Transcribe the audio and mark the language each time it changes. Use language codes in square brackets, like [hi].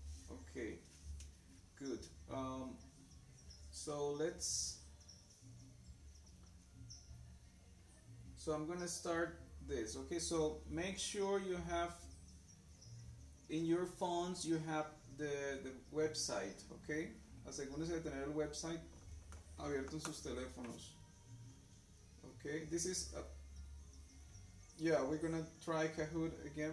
[en] Okay, good. So let's So I'm going to start this. Okay, so make sure you have in your phones, you have the website, okay? [es] Asegúrense de tener el website abierto en sus teléfonos. [en] Okay, this is a, yeah, we're going to try Kahoot again.